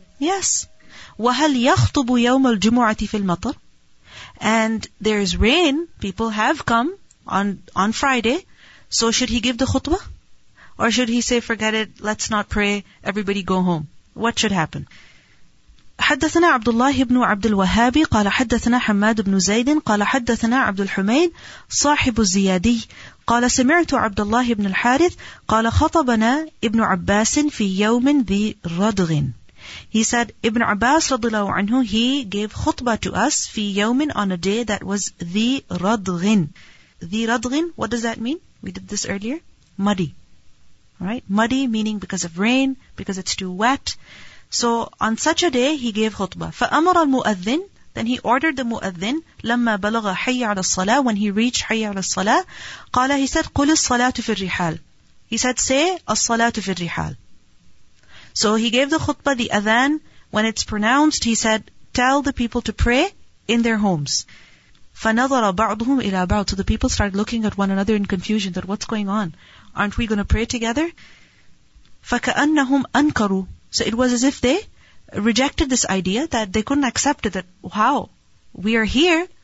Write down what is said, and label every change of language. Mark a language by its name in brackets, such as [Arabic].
[English] Yes. [Arabic] وَهَلْ يَخْطُبُ يَوْمَ الْجُمُعَةِ فِي الْمَطَرِ. [English] And there is rain, people have come on Friday, so should he give the khutbah? Or should he say, forget it, let's not pray, everybody go home? What should happen? [Arabic] حدثنا عبد الله بن عبد الوهاب قال حدثنا حماد بن زيد قال حدثنا عبد الحميد صاحب الزيادي قال سمعت عبد الله بن الحارث قال خطبنا ابن عباس في يوم ذي ردغ. [English] He said Ibn Abbas [Arabic] رضي الله عنه, [English] he gave khutbah to us [Arabic] في يوم, [English] on a day that was [Arabic] ذي ردغ. ذي ردغ, [English] what does that mean? We did this earlier. Muddy. Right? Muddy meaning because of rain, because it's too wet. So on such a day he gave khutbah. [Arabic] فأمر المؤذن, [English] then he ordered the [Arabic] مؤذن, لما بلغ حي على الصلاة, [English] when he reached [Arabic] حي على الصلاة, قال, [English] he said [Arabic] قل الصلاة في الرحال. [English] He said say [Arabic] الصلاة في الرحال. [English] So he gave the khutbah, the adhan. When it's pronounced, he said, tell the people to pray in their homes. [Arabic] فَنَظَرَ بَعْضُهُمْ إِلَىٰ بَعْضُ. [English] So the people started looking at one another in confusion that what's going on? Aren't we going to pray together? [Arabic] فَكَأَنَّهُمْ أَنْكَرُوا. [English] So it was as if they rejected this idea, that they couldn't accept it, that how? We are here.